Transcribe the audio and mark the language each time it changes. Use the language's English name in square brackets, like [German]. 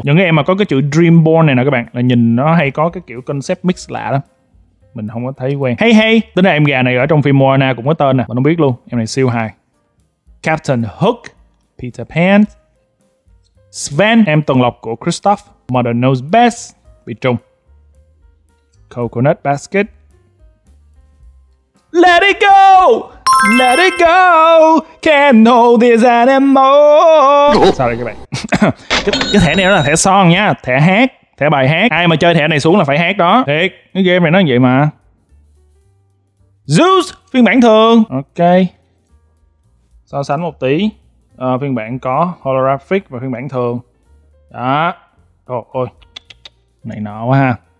[Vietnamese] Những cái em mà có cái chữ Dreamborn này nè các bạn, là nhìn nó hay có cái kiểu concept mix lạ đó. Mình không có thấy quen. Hey hey, tính là em gà này ở trong phim Moana cũng có tên nè, mình không biết luôn. Em này siêu hài. Captain Hook, Peter Pan. Sven, em tuần lộc của Kristoff. Mother Knows Best, bị trùng. Coconut Basket. [English] Let it go, let it go, can't hold this anymore. [Vietnamese] Sao đây các bạn? cái thẻ này đó là thẻ son nha, thẻ hát, thẻ bài hát. Ai mà chơi thẻ này xuống là phải hát đó. Thiệt, cái game này nó như vậy mà. Zeus, phiên bản thường. Ok. So sánh một tí. Phiên bản có holographic và phiên bản thường. Đó. Trời ơi. Này nọ quá ha.